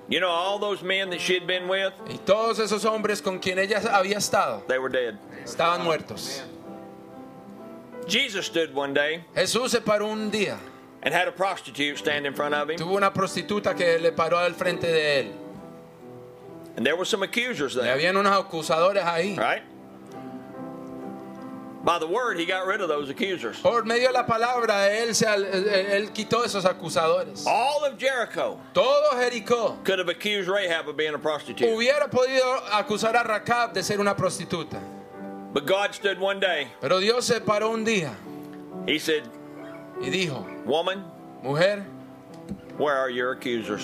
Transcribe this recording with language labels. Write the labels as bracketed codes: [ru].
[en] You know all those men that she had been with? [es] Y todos esos hombres con quien ella había estado. [en] They were dead. [es] Estaban muertos. [en] Jesus stood one day. [es] Jesús se paró un día. [en] And had a prostitute stand in front of him. [es] Tuvo una prostituta que le paró al frente de él. [en] And there were some accusers there. [es] Y habían unos acusadores ahí. [en] Right? By the word, he got rid of those accusers. [es] Por medio de la palabra, él quitó esos acusadores. [en] All of Jericho. [es] Todo Jericó. [en] Could have accused Rahab of being a prostitute. [es] Hubiera podido acusar a Rahab de ser una prostituta. [en] But God stood one day. [es] Pero Dios se paró un día. [en] He said, [es] y dijo, [en] woman, [es] mujer, [en] where are your accusers?